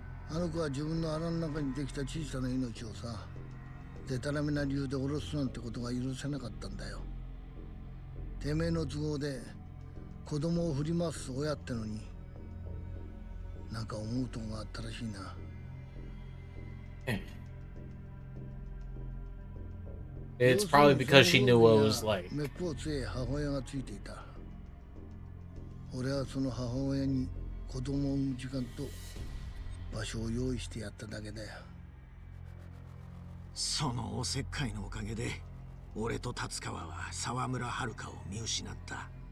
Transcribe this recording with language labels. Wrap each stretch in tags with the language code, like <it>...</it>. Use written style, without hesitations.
<ja>あの子は自分の腹の中にできた小さな命をさ、でたらめな理由で下ろすなんてことが許せなかったんだよ。てめえの都合で子供を振り回す親ってのに、なんか思うとこがあったらしいな。</ja> <en>It's probably because she knew what it was like.</en> <ja>めっぽう強い母親がついていた。俺はその母親に子供を産む時間と場所を用意してやっただけだよ。そのおせっかいのおかげで俺と辰川は沢村遥を見失った。</ja>